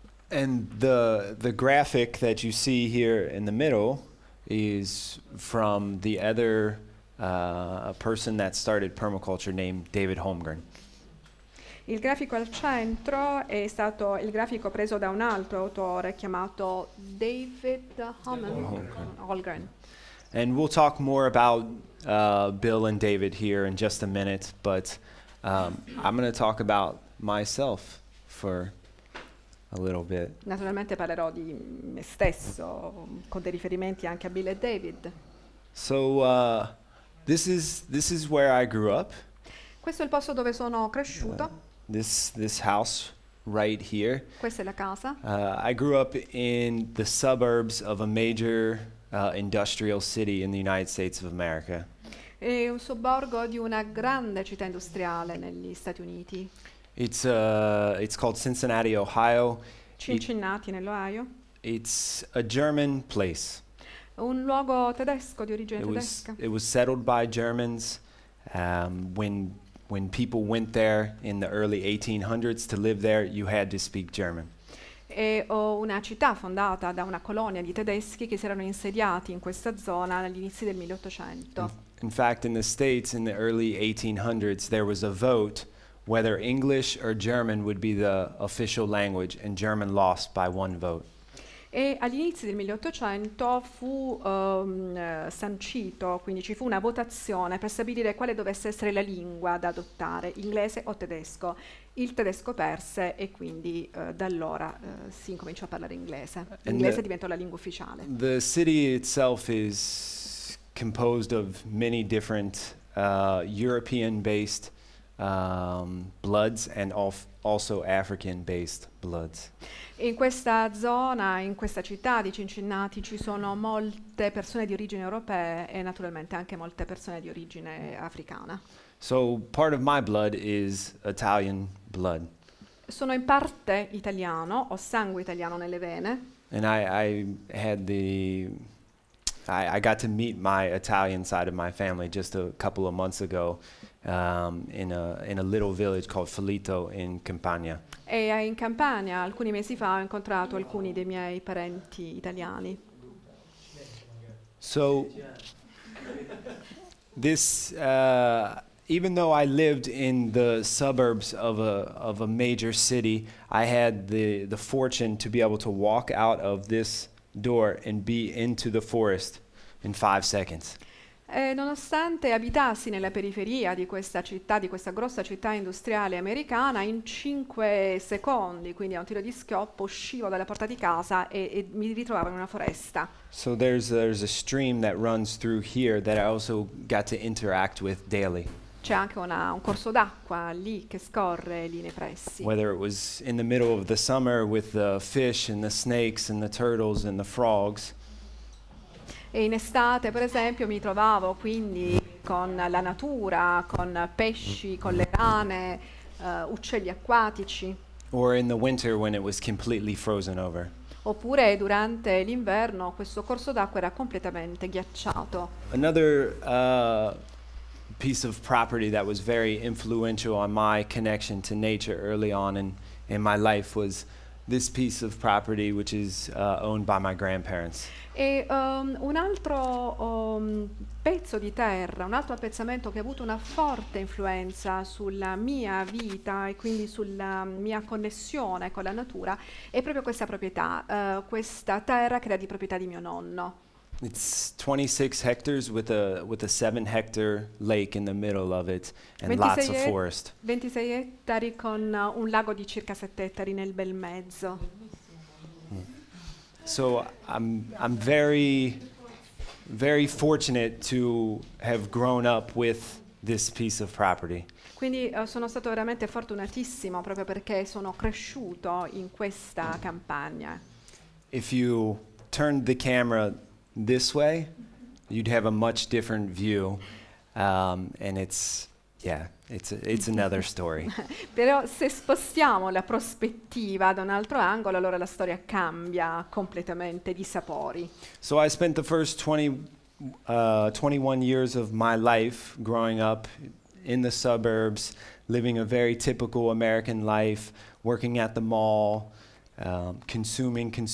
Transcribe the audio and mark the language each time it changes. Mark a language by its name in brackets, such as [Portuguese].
[English] And the graphic that you see here in the middle is from the other person that started permaculture named David Holmgren. [Italian] Il grafico al centro è stato il grafico preso da un altro autore chiamato David Holmgren. [English] And we'll talk more about Bill and David here in just a minute, but I'm going to talk about myself for a little bit. [Italian] Naturalmente parlerò di me stesso con dei riferimenti anche a Bill e David. [English] So this is where I grew up. [Italian] Questo è il posto dove sono cresciuto. [English] This house right here. [Italian] Questa è la casa. [English] I grew up in the suburbs of a major industrial city in the United States of America. [Italian] È un sobborgo di una grande città industriale negli Stati Uniti. [English] It's called Cincinnati, Ohio. [Italian] Cincinnati, nell'Ohio. [English] It's a German place. [Italian] Un luogo tedesco di origine tedesca. [English] It was settled by Germans when people went there in the early 1800s to live there, you had to speak German. [Italian] È una città fondata da una colonia di tedeschi che si erano insediati in questa zona agli inizi del 1800. [English] In fact, in the States in the early 1800s, there was a vote whether English or German would be the official language, and German lost by one vote. [Italian] E all'inizio del 1800 fu sancito, quindi ci fu una votazione per stabilire quale dovesse essere la lingua da adottare, inglese o tedesco. Il tedesco perse e quindi da allora si incominciò a parlare inglese. L'inglese diventò la lingua ufficiale. [English] The city itself is composed of many different European-based bloods and also African-based bloods. [Italian] In questa zona, in questa città di Cincinnati, ci sono molte persone di origine europea e naturalmente anche molte persone di origine africana. [English] So part of my blood is Italian blood. [Italian] Sono in parte italiano, ho sangue italiano nelle vene. [English] And I got to meet my Italian side of my family just a couple of months ago in a little village called Felito in Campania. [Italian] E in Campania alcuni mesi fa ho incontrato alcuni dei miei parenti italiani. [English] So this even though I lived in the suburbs of a major city, I had the fortune to be able to walk out of this door and be into the forest in 5 seconds. [Italian] Nonostante abitassi nella periferia di questa città, di questa grossa città industriale americana, in 5 secondi, quindi a un tiro di schioppo, uscivo dalla porta di casa e mi ritrovavo in una foresta. [English] So there's a stream that runs through here that I also got to interact with daily. [Italian] C'è anche un corso d'acqua lì che scorre lì nei pressi. [English] Whether it was in the middle of the summer with the fish and the snakes and the turtles and the frogs. [Italian] E in estate, per esempio, mi trovavo quindi con la natura, con pesci, con le rane, uccelli acquatici. [English] Or in the winter when it was completely frozen over. [Italian] Oppure durante l'inverno questo corso d'acqua era completamente ghiacciato. [English] Another piece of property that was very influential on my connection to nature early on in my life was this piece of property, which is owned by my grandparents. [Italian] E un altro pezzo di terra, un altro appezzamento che ha avuto una forte influenza sulla mia vita e quindi sulla mia connessione con la natura è proprio questa proprietà, questa terra che era di proprietà di mio nonno. [English] It's 26 hectares with a 7-hectare lake in the middle of it and lots of forest. [Italian] 26 ettari con un lago di circa 7 ettari nel bel mezzo. [English] So I'm very, very fortunate to have grown up with this piece of property. [Italian] Quindi sono stato veramente fortunatissimo proprio perché sono cresciuto in questa campagna. [English] If you turned the camera this way, you'd have a much different view, and it's another story. [Italian] Però se spostiamo la prospettiva da un altro angolo, allora la storia cambia completamente di sapori. [English] So I spent the first 21 years of my life growing up in the suburbs, living a very typical American life, working at the mall, consuming.